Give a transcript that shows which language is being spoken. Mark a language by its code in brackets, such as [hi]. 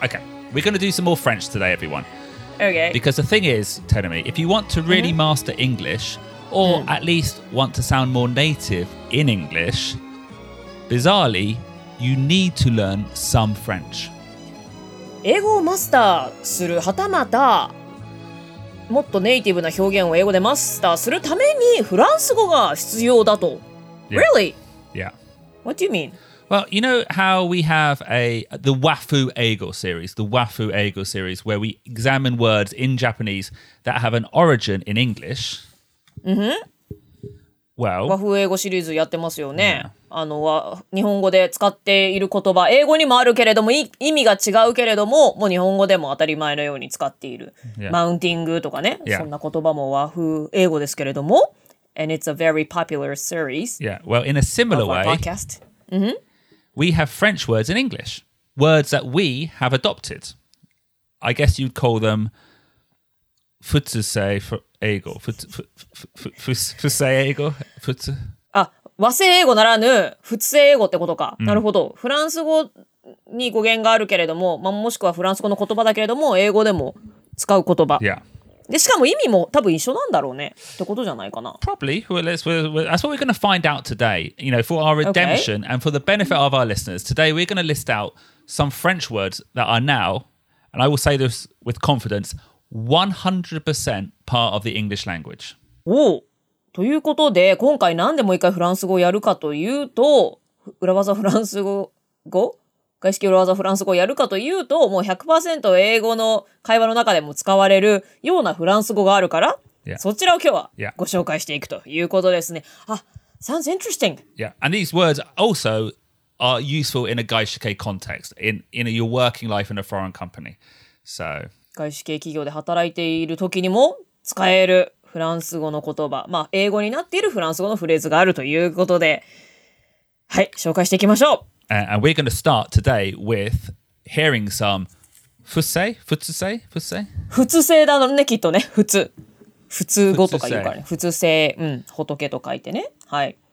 [en] Okay, we're going to do some more French today, everyone. Okay. Because the thing is, Terumi, if you want to really master English, or at least want to sound more native in English, bizarrely, you need to learn some French. [ja] 英語をマスターするはたまたもっとネイティブな表現を英語でマスターするためにフランス語が必要だと [en] yeah. Really? Yeah. What do you mean? Well, you know how we have the Wafu Eigo series, the Wafu Eigo series where we examine words in Japanese that have an origin in English. Mm-hmm. Well, [ja] Wafu Eigo シリーズやってますよね。 [en] Yeah. [ja] あの日本語で使っている言葉英語にもあるけれども意味が違うけれどももう日本語でも当たり前のように使っている、 [en] yeah. [ja] マウンティングとかね、 [en] yeah. [ja] そんな言葉も和風英語ですけれども [en] and it's a very popular series yeah well in a similar way podcast、mm-hmm. we have French words in English words that we have adopted I guess you'd call them futsusei eigo futsusei eigo futsu [ja] あ和製英語ならぬ普通英語ってことか。なるほど。フランス語に語源があるけれども、まあ、もしくはフランス語の言葉だけれども、英語でも使う言葉。 [en] Yeah. [ja] で、しかも意味も多分一緒なんだろうね。ってことじゃないかな。 [en] Probably. Well, that's what we're going to find out today. You know, for our redemption、okay. and for the benefit of our listeners, today we're going to list out some French words that are now, and I will say this with confidence, 100% part of the English language. [ja] おお。ということで、今回何でもう一回フランス語をやるかというと、裏技フランス語外資系裏技フランス語をやるかというと、もう 100% 英語の会話の中でも使われるようなフランス語があるから、 [en] yeah. [ja] そちらを今日はご紹介していくということですね。 [en] Yeah. あ、sounds interesting. Yeah, and these words also are useful in a 外資系 context, in your working life in a foreign company. So... [ja] 外資系企業で働いている時にも使えるフランス語の言葉、まあ英語になっているフランス語のフレーズがあるということで、はい、紹介していきましょう。 [en] And we're going to start today with hearing some futsusei? [ja] 普通性だのね、きっとね、普通語とか言うからね、普通性、うん、仏と書いてね、はい。